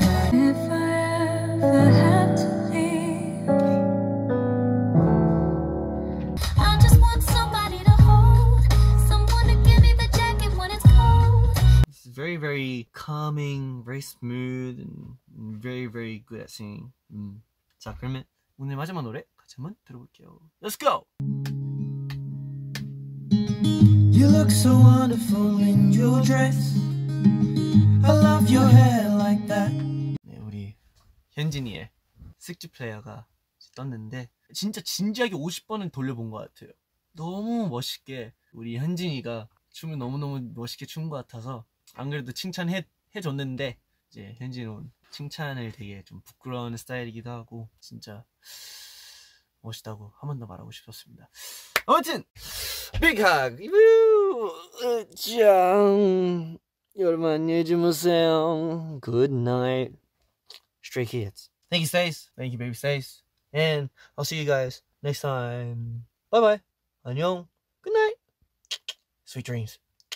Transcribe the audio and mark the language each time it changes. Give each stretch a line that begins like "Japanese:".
English: If I ever had to leave, I just want somebody to hold, someone to give me the jacket when it's cold. It's very, very calming, very smooth, and very, very good at singing.
Korean: So, 그러면 오늘 마지막 노래 같이 한번 들어볼게요.
English: Let's go! You look so wonderful in your dress. I love your hair like that.
Korean: 네, 우리 현진이의 숙주 플레이어가 떴는데 진짜 진지하게 50번은 돌려본 것 같아요. 너무 멋있게 우리 현진이가 춤을 너무너무 멋있게 춘 것 같아서 안 그래도 칭찬해줬는데 이제 현진이는 칭찬을 되게 좀 부끄러운 스타일이기도 하고 진짜 멋있다고 한 번 더 말하고 싶었습니다.
English: 아무튼! Big hug! Woo!
Korean: 짱! 여러분 안녕히 주무세요.
English: Good night. Stray Kids. Thank you, Stace. Thank you, baby Stace. And I'll see you guys next time. Bye-bye. 안녕. Good night. Sweet dreams.